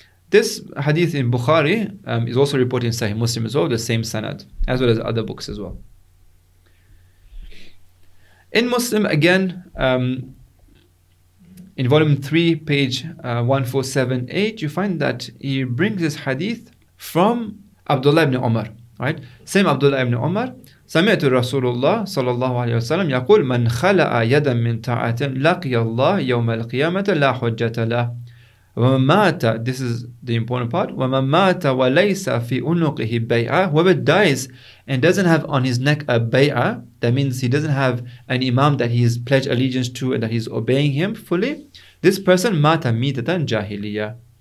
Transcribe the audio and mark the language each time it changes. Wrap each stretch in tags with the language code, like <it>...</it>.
<en>This hadith in Bukhari is also reported in Sahih Muslim as well, the same sanad, as well as other books as well. In Muslim, again, in volume 3, page 147a, you find that he brings this hadith from Abdullah ibn Umar, right? Same Abdullah ibn Umar.</en> <ar>سمعت رسول الله صلى الله عليه وسلم يقول من خلع يدا من طاعة لقي الله يوم القيامة لا حجة له.</ar> <en>This is the important part.</en> <ar>وَمَمَّاتَ وَلَيْسَ فِي أُنُقِهِ بَيْعَةً.</ar> <en>Whoever dies and doesn't have on his neck a bay'ah, that means he doesn't have an imam that he has pledged allegiance to and that he's obeying him fully, this person</en> <ar>mata mitatan jahiliyah.</ar>